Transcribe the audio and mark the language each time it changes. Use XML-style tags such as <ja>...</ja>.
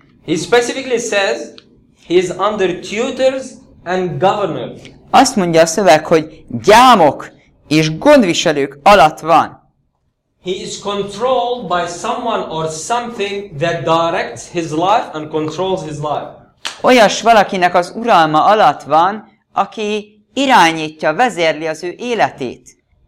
<en>He specifically says he is under tutors and governor.</en> <hu>Azt mondja a szöveg, hogy gyámok és gondviselők alatt van.</hu> <en>He is controlled by someone or something that directs his life and controls his life.</en> <hu>Olyas valakinek az uralma alatt van, aki irányítja, vezérli az ő életét.</hu>